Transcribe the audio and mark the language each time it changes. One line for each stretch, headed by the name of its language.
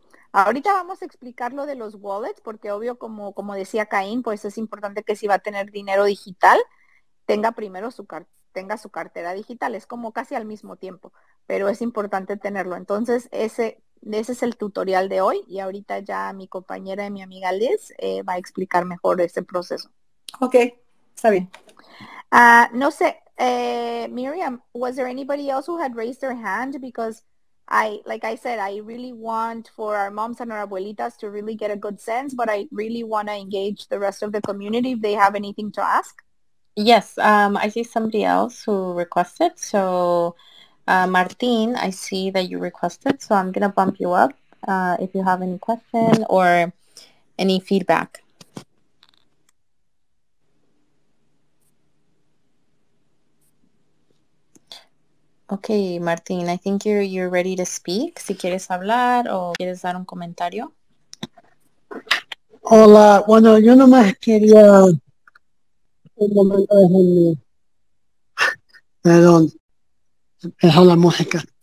Spanish: Ahorita vamos a explicar lo de los wallets, porque obvio, como decía Caín, pues es importante que si va a tener dinero digital, tenga primero su cartera digital, es como casi al mismo tiempo, pero es importante tenerlo. Entonces, ese es el tutorial de hoy, y ahorita ya mi compañera y mi amiga Liz va a explicar mejor ese proceso. Ok, está bien. No sé,
English: Miriam, was there anybody else who had raised their hand? Because I really want for our moms and our abuelitas to really get a good sense, but I really want to engage the rest of the community if they have anything to ask. Yes, I see somebody else who requested. So, Martin, I see that you requested, so I'm going to bump you up if you have any question or any feedback. Okay, Martin, I think you're ready to speak.
Spanish: Si quieres hablar o quieres dar un comentario. Hola, bueno, yo nomás quería... Un momento, déjenme. Perdón, empezó la música.